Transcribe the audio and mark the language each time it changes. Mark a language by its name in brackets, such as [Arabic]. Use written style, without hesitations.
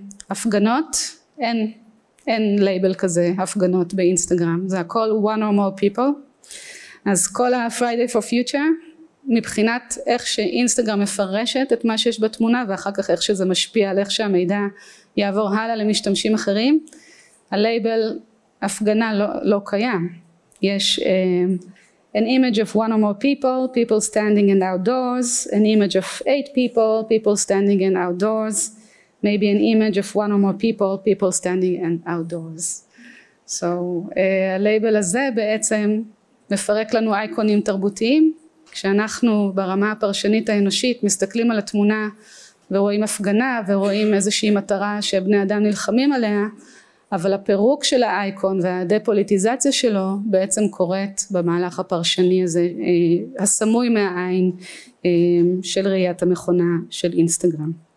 [Hebrew] הפגנות, אין לייבל כזה הפגנות באינסטגרם, זה הכל [English] one or more people. [Hebrew] אז כל ה-Friday for Future, מבחינת איך שאינסטגרם מפרשת את מה שיש בתמונה ואחר כך איך שזה משפיע על איך שהמידע יעבור הלאה למשתמשים אחרים, הלייבל הפגנה לא קיים. [English] יש an image of one or more people, people standing in outdoors, an image of eight people, people standing in outdoors, maybe an image of one or more people, people standing in outdoors. So [Hebrew] הלייבל הזה בעצם מפרק לנו אייקונים תרבותיים. כשאנחנו ברמה הפרשנית האנושית מסתכלים על התמונה ורואים הפגנה ורואים איזושהי מטרה שבני אדם נלחמים עליה, אבל הפירוק של האייקון והדפוליטיזציה שלו בעצם קורית במהלך הפרשני הזה הסמוי מהעין של ראיית המכונה של אינסטגרם.